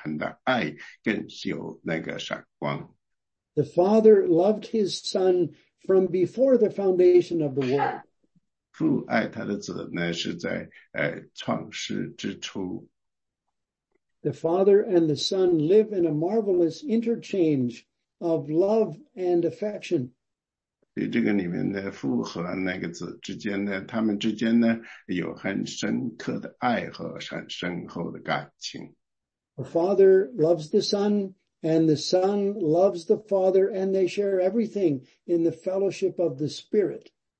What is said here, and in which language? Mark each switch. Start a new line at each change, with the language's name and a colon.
Chinese: 这个里面呢，从另一个方面说，从神学家讲呢，就是在整个的里面的约翰福音里面，在没有一个事情比那个父对他的子的永恒的爱更有那个闪光。
English: The Father loved his Son from before the foundation of the world.
Chinese: 父爱他的子呢，是在创世之初。
English: The Father and the Son live in a marvelous interchange of love and affection.
Chinese: 对这个里面的父和那个子之间呢，他们之间呢有很深刻的爱和很深厚的感情。
English: The Father loves the Son, and the Son loves the Father, and they share everything in the fellowship of the Spirit.